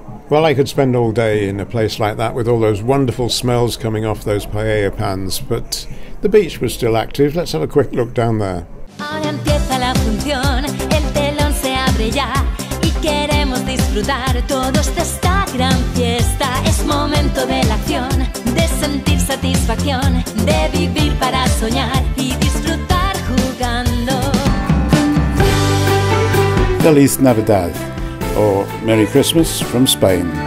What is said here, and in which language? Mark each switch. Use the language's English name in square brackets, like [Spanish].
[English] Well, I could spend all day in a place like that with all those wonderful smells coming off those paella pans, but the beach was still active. Let's have a quick look down there. [Spanish] Ahora empieza la función, el telón se abre ya, y queremos disfrutar todos de esta gran fiesta. Es momento de la acción, de sentir satisfacción, de vivir para soñar y disfrutar jugando. Feliz Navidad. [English] Or Merry Christmas from Spain.